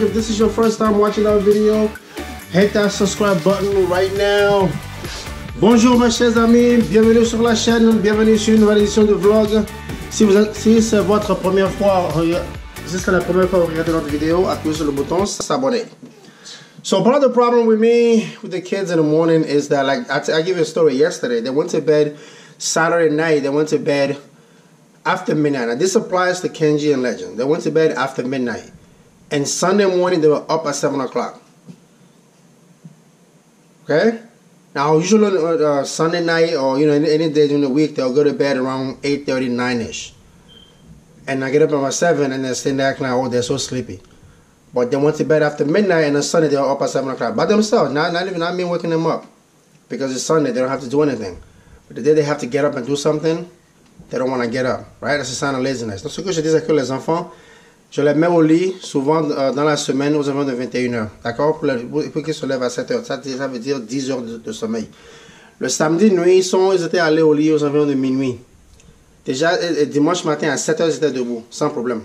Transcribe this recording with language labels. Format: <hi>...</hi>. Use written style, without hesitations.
<en>If this is your first time watching our video, hit that subscribe button right now.</en> <fr>Bonjour, mes chers amis. Bienvenue sur la chaîne. Bienvenue sur une nouvelle édition du vlog. Si c'est votre première fois, regardez notre vidéo, appuyez sur le bouton s'abonner.</fr> <en>So part of the problem with me, with the kids in the morning, is that, like, I give you a story yesterday. They went to bed Saturday night. They went to bed after midnight. Now, this applies to Kenji and Legend. They went to bed after midnight. And Sunday morning, they were up at 7 o'clock. Okay? Now, usually Sunday night or, you know, any day during the week, they'll go to bed around 8:30, 9-ish. And I get up at my 7, and they're sitting there acting like, oh, they're so sleepy. But they went to bed after midnight, and on Sunday they were up at 7 o'clock by themselves. Not me waking them up, because it's Sunday, they don't have to do anything. But the day they have to get up and do something, they don't want to get up, right? That's a sign of laziness.</en> <fr>Donc ce que je dis à que les enfants, je les mets au lit souvent dans la semaine aux environs de 21h, d'accord? Pour qu'ils se lèvent à 7h, ça veut dire 10 heures de sommeil. Le samedi nuit, ils étaient allés au lit aux environs de minuit. Déjà, dimanche matin, à 7h, j'étais debout, sans problème.</fr>